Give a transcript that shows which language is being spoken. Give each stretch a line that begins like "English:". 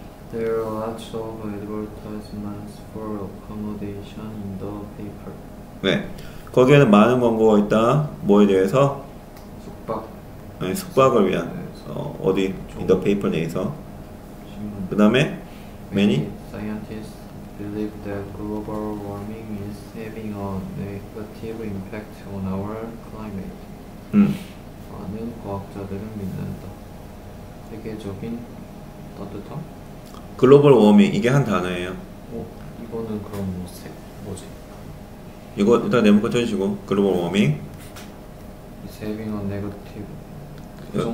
English: There are lots of advertisements for accommodation in the paper.
Korean: 네, 거기에는 많은 광고가 있다. 뭐에 대해서? 숙박. 네, 숙박을 위한. 어디?
English: In the paper
Korean: 내에서. 그 다음에? Many?
English: Scientists believe that global warming is having a negative impact on our climate.
Korean: 많은 과학자들은 믿는다. 세계적인 따뜻함? 글로벌 워밍, 이게 한 단어예요. 이거는 그럼 색 뭐지? 이거 일단 네모가 쳐주시고, 글로벌 워밍.
English: It's having a negative.